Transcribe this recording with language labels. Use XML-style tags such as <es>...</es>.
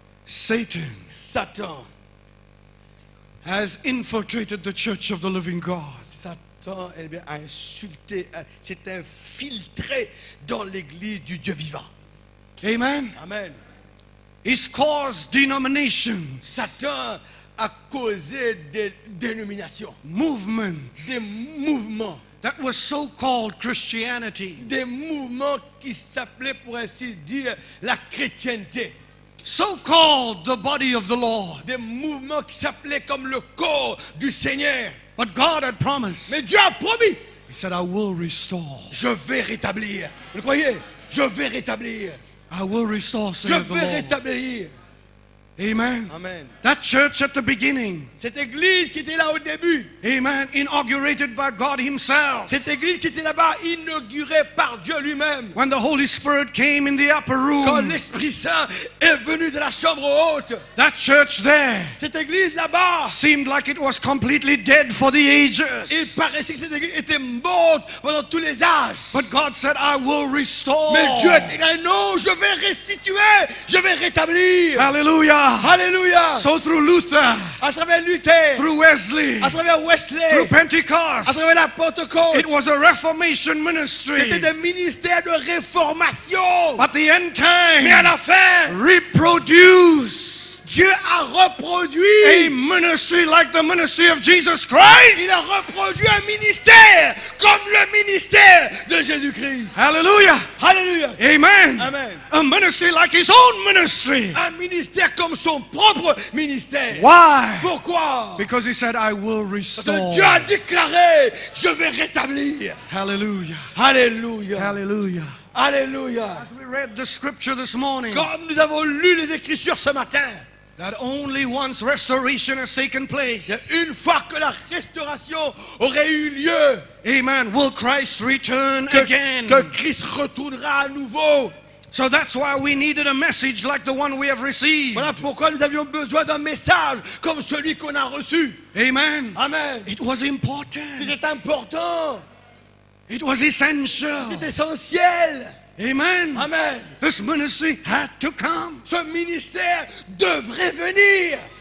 <en>Satan has infiltrated the church of the living God.</en> <fr>Satan a insulté, s'est infiltré dans l'église du Dieu vivant.</fr> <en>Amen.</en> <fr>Amen.</fr> <en>He's caused denominations.</en> <fr>Satan a causé des dénominations.</fr> <en>Movements.</en> <fr>Des mouvements.</fr> <en>That were so called Christianity.</en> <fr>Des mouvements qui s'appelaient pour ainsi dire la chrétienté.</fr> <en>So called the body of the Lord.</en> <fr>Des mouvements qui s'appelaient comme le corps du Seigneur.</fr> <en>But God had promised.</en> <fr>Mais Dieu a promis.</fr> <en>He said, I will restore.</en> <fr>Je vais rétablir. Vous croyez? Je vais rétablir.</fr> <en>I will restore, say</en> <fr>Je vais rétablir.</fr> <en>Amen.</en> <fr>Amen.</fr> <en>That church at the beginning.</en> <fr>Cette église qui était là au début.</fr> <en>Amen. Inaugurated by God Himself.</en> <fr>Cette église qui était là-bas inaugurée par Dieu lui-même.</fr> <en>When the Holy Spirit came in the upper room.</en> <fr>Quand l'Esprit Saint est venu de la chambre haute.</fr> <en>That church there.</en> <fr>Cette église là-bas.</fr> <en>Seemed like it was completely dead for the ages.</en> <fr>Il paraissait que cette église était morte pendant tous les âges.</fr> <en>But God said, I will restore.</en> <fr>Mais Dieu dit non, je vais restituer, je vais rétablir.</fr> <en>Hallelujah.</en> <fr>Hallelujah.</fr> <en>So through Luther,</en> <fr>à travers Luther,</fr> <en>through Wesley,</en> <fr>à travers Wesley,</fr> <en>through Pentecost,</en> <fr>à travers la Pentecôte,</fr> <en>it was a reformation ministry.</en> <fr>C'était des ministères de réformation.</fr> <en>But the end time,</en> <fr>mais à la fin,</fr> <en>reproduce.</en> <fr>Dieu a reproduit</fr> <en>a ministry like the ministry of Jesus Christ.</en> <fr>Il a reproduit un ministère comme le ministère de Jésus-Christ.</fr> <en>Hallelujah.</en> <fr>Hallelujah.</fr> <en>Amen.</en> <fr>Amen.</fr> <en>A ministry like his own ministry.</en> <fr>Un ministère comme son propre ministère.</fr> <en>Why?</en> <fr>Pourquoi?</fr> <en>Because he said, I will restore.</en> <fr>Parce que Dieu a déclaré, je vais rétablir.</fr> <en>Hallelujah.</en> <fr>Hallelujah.</fr> <en>Hallelujah.</en> <fr>Alléluia.</fr> <en>As we read the scripture this morning,</en> <fr>comme nous avons lu les Écritures ce matin,</fr> <en>that only once restoration has taken place,</en> <fr>une fois que la restauration aurait eu lieu,</fr> <en>amen, will Christ return again?</en> <fr>Que Christ retournera à nouveau.</fr> <en>So that's why we needed a message like the one we have received.</en> <fr>Voilà pourquoi nous avions besoin d'un message comme celui qu'on a reçu.</fr> <en>Amen.</en> <fr>Amen.</fr> <en>It was important.</en> <fr>C'était important.</fr> <en>It was essential.</en> <fr>C'était essentiel.</fr> <en>Amen.</en> <fr>Amen.</fr> <en>This ministry had to come.</en> <fr>Ce ministère devrait venir.</fr>